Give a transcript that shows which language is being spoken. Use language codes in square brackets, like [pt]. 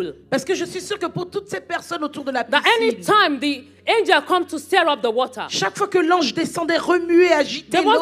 [fr] Parce que je suis sûr que pour toutes ces personnes autour de la piscine, [en] that any time the angel come to stir up the water, [fr] chaque fois que l'ange descendait remuer, agiter l'eau,